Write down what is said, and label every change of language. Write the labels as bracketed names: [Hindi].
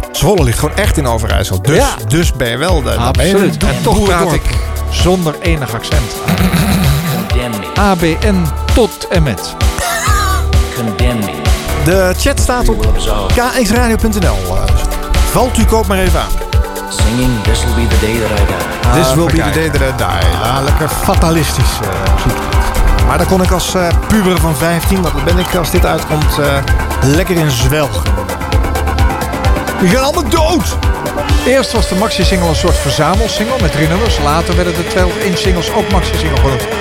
[Dutch] Zwolle ligt gewoon echt in Overijssel. Dus, dus ben je wel de... Absoluut. En toch praat ik zonder enig accent. ABN tot en met. [English] Condemn me. [Dutch] De chat staat op kxradio.nl. Valt u Koop maar even aan. [English] Singing, this will be the day that I die. This will be the day that I die. [Dutch] Ja, lekker fatalistisch. Maar dan kon ik als puber van 15, want dan ben ik als dit uitkomt, lekker in zwelgen. We gaan allemaal dood! Eerst was de maxi-single een soort verzamelsingle met drie nummers. Later werden de 12-inch singles ook maxi-single genoemd.